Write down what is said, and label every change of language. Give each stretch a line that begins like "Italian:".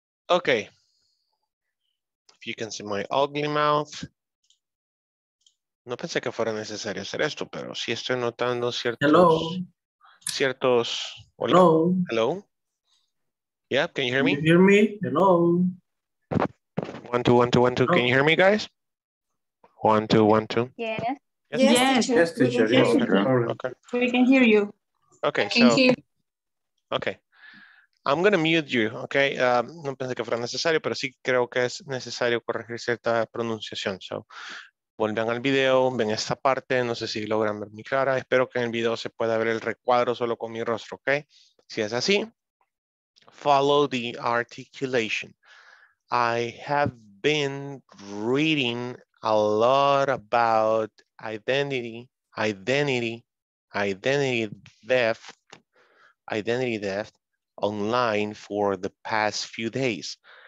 English: Okay, if you can see my ugly mouth.
Spanish: No pensé que fuera necesario hacer esto, pero sí estoy notando ciertos...
English: Hello.
Spanish: Ciertos...
English: Hola. Hello. Hello. Yeah, can you hear me? Can you hear me? Hello. 1, 2, 1, 2, 1, 2. Can you hear me, guys? 1, 2, 1, 2. Yes. Yes, teacher. Yes, teacher. Yes, okay. We can hear you. Okay, so... Okay. I'm going to mute you, okay?
Spanish: No pensé que fuera necesario, pero sí creo que es necesario corregir cierta pronunciación. So, vuelvan al video, ven esta parte, no sé si logran ver mi cara. Espero que en el video se pueda ver el recuadro solo con mi rostro, okay? Si es así,
English: follow the articulation. I have been reading a lot about identity theft online for the past few days.